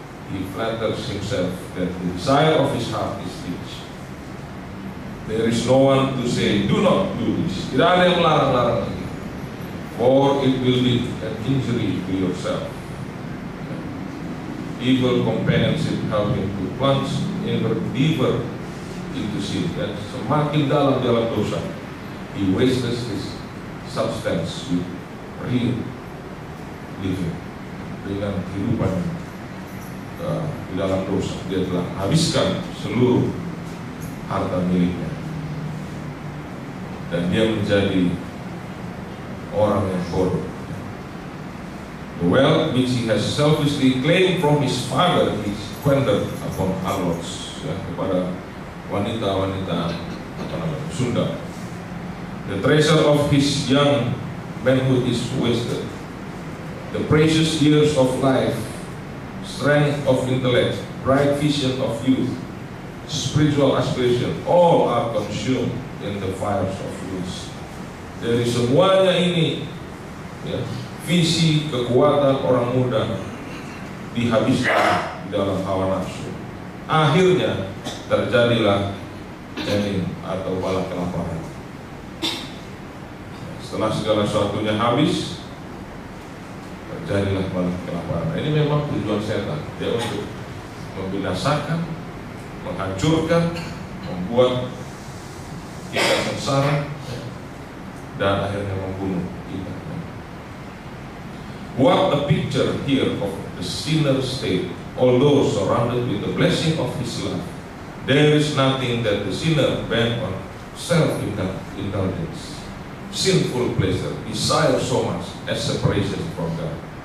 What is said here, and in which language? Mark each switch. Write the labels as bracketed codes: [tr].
[en] He flatters himself that the desire of his heart is rich. There is no one to say, do not do this. [id] Tidak ada yang melarang-larang lagi. [en] Or it will be an injury to yourself. Evil companionship help him to plunge ever deeper into sin. [id] Dan semakin dalam dalam dosa, [en] he wastes his substance with real living. [id] Dengan kehidupan di dalam dosa, dia telah habiskan seluruh harta miliknya. Dan dia menjadi orang yang bodoh. [en] The wealth which he has selfishly claimed from his father he squandered upon harlots, [id] ya, kepada wanita-wanita Sunda. [en] The treasure of his young manhood is wasted. The precious years of life, strength of intellect, bright vision of youth, spiritual aspiration, all are consumed in the fires of lust. [id] Dari semuanya ini, ya, visi, kekuatan orang muda dihabiskan dalam hawa nafsu. Akhirnya terjadilah janin atau bala kelaparan. Setelah segala sesuatunya habis, terjadilah bala kelaparan. Ini memang tujuan setan, dia untuk membinasakan, menghancurkan, membuat kita sengsara dan akhirnya membunuh kita. [en] What a picture here of the sinner's state. Although surrounded with the blessing of his life, there is nothing that the sinner bent on self-indulgence, sinful pleasure, desire so much as separation from God.